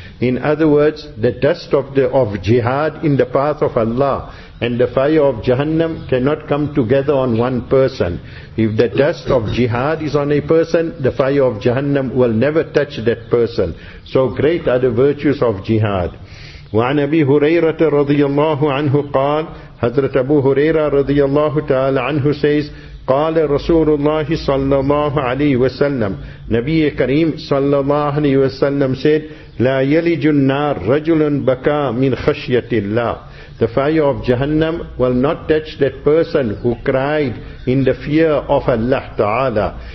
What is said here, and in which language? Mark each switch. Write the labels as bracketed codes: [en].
[en] In other words, the dust of jihad in the path of Allah and the fire of Jahannam cannot come together on one person. If the dust of jihad is on a person, the fire of Jahannam will never touch that person. So great are the virtues of jihad. [ar] وعن أبي هريرة رضي الله عنه قال, حضرت أبو هريرة رضي الله تعالى عنه says, قال رسول الله صلى الله عليه وسلم, نبي كريم صلى الله عليه وسلم said, لا يلج النار رجل بكى من خشية الله, [en] The fire of Jahannam will not touch that person who cried in the fear of Allah Ta'ala.